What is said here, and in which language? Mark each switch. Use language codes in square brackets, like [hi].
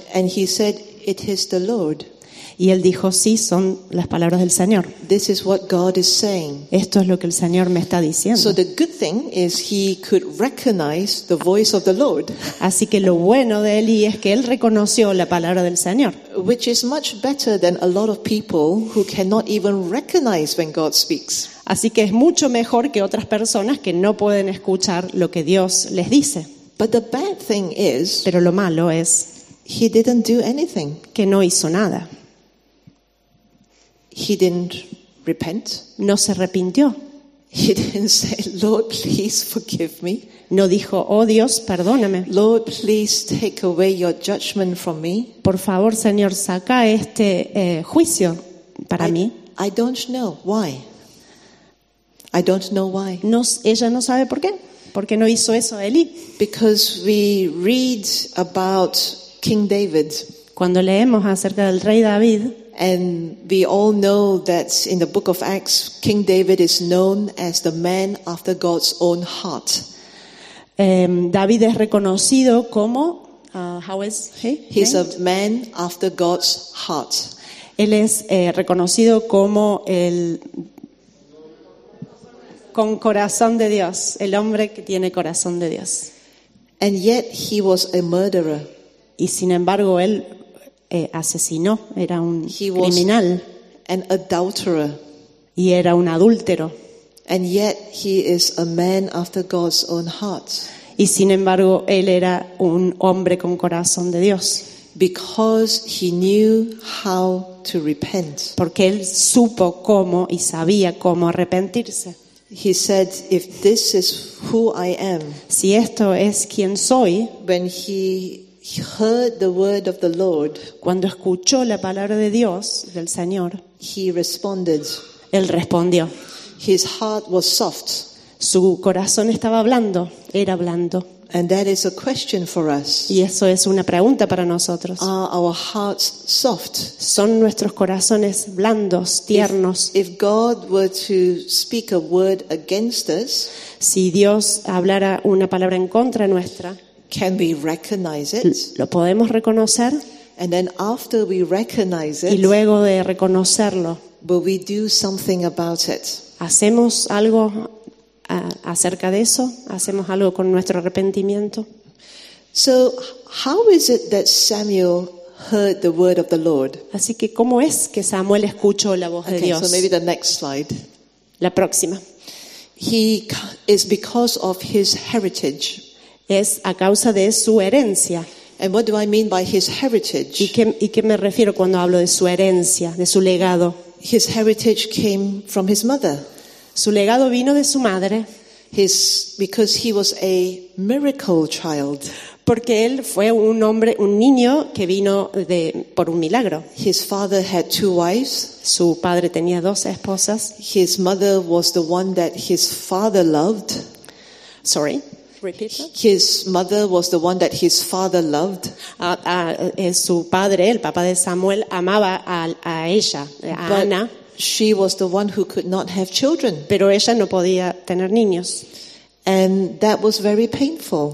[en] And he said, "It is the Lord." [es] Y él dijo, sí, son las palabras del Señor. [en] This is what God is saying. [es] Esto es lo que el Señor me está diciendo. [en] So the good thing is he could recognize the voice of the Lord. [es] Así que lo bueno de Eli es que él reconoció la palabra del Señor. [en] Which is much better than a lot of people who cannot even recognize when God speaks. [es] Así que es mucho mejor que otras personas que no pueden escuchar lo que Dios les dice. [en] But the bad thing is, [es] pero lo malo es, [en] he didn't do anything. [es] Que no hizo nada. [en] He didn't repent. [es] No se arrepintió. [en] He didn't say, Lord, please forgive me. [es] No dijo, oh Dios, perdóname. [en] Lord, please take away your judgment from me. [es] Por favor, Señor, saca este juicio para mí. [en] I don't know why. I don't know why. [es] No, ella no sabe por qué. ¿Por qué no hizo eso Eli? [en] Because we read about King David. [es] Cuando leemos acerca del rey David. [en] And we all know that in the book of Acts, King David is known as the man after God's own heart. [es] David es reconocido como [en] how is he? He's a man after God's heart. [es] Él es reconocido como el con corazón de Dios, el hombre que tiene corazón de Dios. [en] And yet he was a murderer. [es] Y sin embargo él asesinó, era un criminal. [en] An adulterer. [es] Y era un adúltero. [en] And yet he is a man after God's own heart. [es] Y sin embargo él era un hombre con corazón de Dios. [en] Because he knew how to repent. [es] Porque él supo cómo y sabía cómo arrepentirse. [en] He said, "If this is who I am." [es] Si esto es quien soy. [en] When he heard the word of the Lord. [es] Cuando escuchó la palabra de Dios del Señor. [en] He responded. [es] Él respondió. [en] His heart was soft. [es] Su corazón estaba blando. Era blando. [en] And that is a question for us. [es] Y eso es una pregunta para nosotros. [en] Are our hearts soft? [es] ¿Son nuestros corazones blandos, tiernos? [en] If God were to speak a word against us, [es] si Dios hablara una palabra en contra nuestra, [en] can we recognize it? [es] ¿Lo podemos reconocer? [en] And then after we recognize it, [es] y luego de reconocerlo, [en] will we do something about it? [es] ¿Hacemos algo acerca de eso? ¿Hacemos algo con nuestro arrepentimiento? [en] So, how is it that Samuel heard the word of the Lord? [es] Así que, ¿cómo es que Samuel escuchó la voz de Dios? [en] So maybe the next slide. [es] La próxima. [en] He is because of his heritage. [es] Es a causa de su herencia. [en] And what do I mean by his heritage? [es] ¿Y qué me refiero cuando hablo de su herencia, de su legado? [en] His heritage came from his mother. [es] Su legado vino de su madre. [en] Because he was a miracle child. [es] Porque él fue un hombre, un niño que vino de por un milagro. [en] His father had two wives. [es] Su padre tenía dos esposas. [en] His mother was the one that his father loved. Sorry. Repeat that. His mother was the one that his father loved. [es] Su padre, el papá de Samuel, amaba a ella, a Ana. [en] She was the one who could not have children. [es] Pero ella no podía tener niños. [en] And that was very painful.